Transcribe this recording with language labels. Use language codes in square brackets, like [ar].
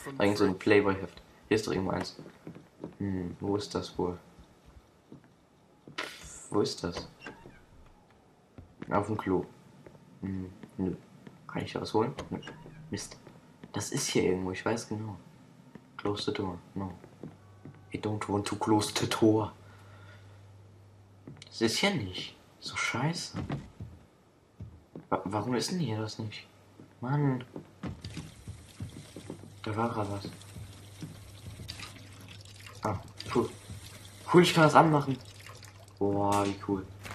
[de] Eigentlich so ein Playboy-Heft. Hier ist doch irgendwo eins. Wo ist das wohl? Wo ist das? Auf dem Klo. Nö. Kann ich da was holen? Nö. Mist. Das ist hier irgendwo, ich weiß genau. [en] Close the door. No. I don't want to close the door. [de] Das ist hier nicht. So scheiße. Warum ist denn hier das nicht? Mann. Da war gerade was. Ah, cool. Cool, ich kann das anmachen. Boah, wie cool.